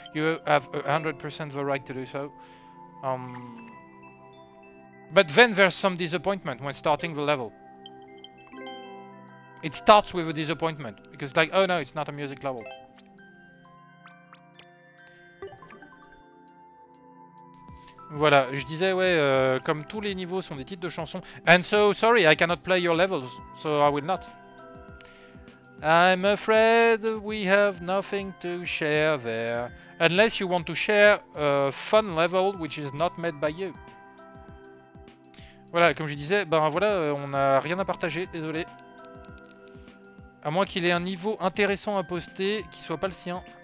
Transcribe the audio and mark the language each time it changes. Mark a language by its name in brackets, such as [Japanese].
[English] You have 100% the right to do so. But then there's some disappointment when starting the level. It starts with a disappointment, because it's like, oh no, it's not a music level. [French] Voilà, je disais, ouais, comme tous les niveaux sont des titres de chansons. [English] And so, sorry, I cannot play your levels, so I will not. I'm afraid we have nothing to share there. Unless you want to share a fun level which is not made by you. [French] Voilà, comme je disais, ben voilà, on n'a rien à partager, désolé. À moins qu'il ait un niveau intéressant à poster qui soit pas le sien.